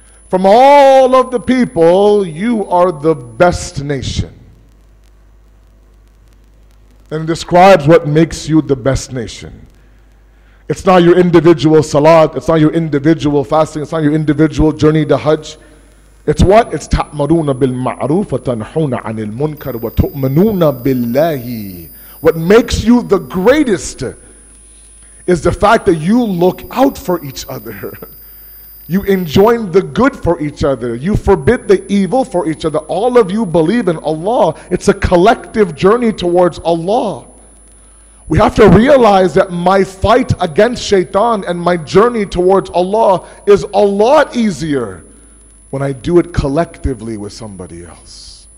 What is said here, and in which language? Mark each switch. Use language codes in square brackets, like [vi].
[en] From all of the people, you are the best nation. And it describes what makes you the best nation. It's not your individual salat, it's not your individual fasting, it's not your individual journey to Hajj. It's what? [ar] It's تَأْمَرُونَ بِالْمَعْرُوفَ تَنْحُونَ عَنِ الْمُنْكَرِ وَتُؤْمَنُونَ بِاللَّهِ. [en] What makes you the greatest is the fact that you look out for each other. You enjoin the good for each other. You forbid the evil for each other. All of you believe in Allah. It's a collective journey towards Allah. We have to realize that my fight against shaitan and my journey towards Allah is a lot easier when I do it collectively with somebody else.